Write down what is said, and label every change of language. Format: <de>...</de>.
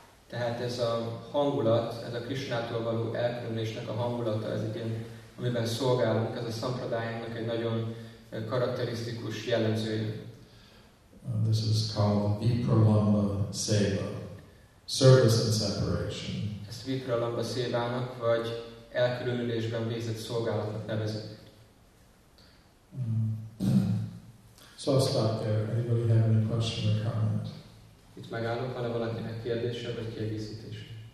<hu>Tehát ez a hangulat, ez a Krishnától való elkülönülésnek a hangulata, ez igen, amiben szolgálunk, ez a sampradayának egy nagyon karakterisztikus jellemzője.</hu> <en>This is called Vipralamba Seva, service and separation.</en> <hu>Ezt Vipralamba Sevának vagy elkülönülésben végzett szolgálatnak nevezik.</hu> <en>So I'll stop there. Anybody have any question or comment?</en> <hu>Itt megállok, ha valakinek kérdése vagy kiegészítése.</hu>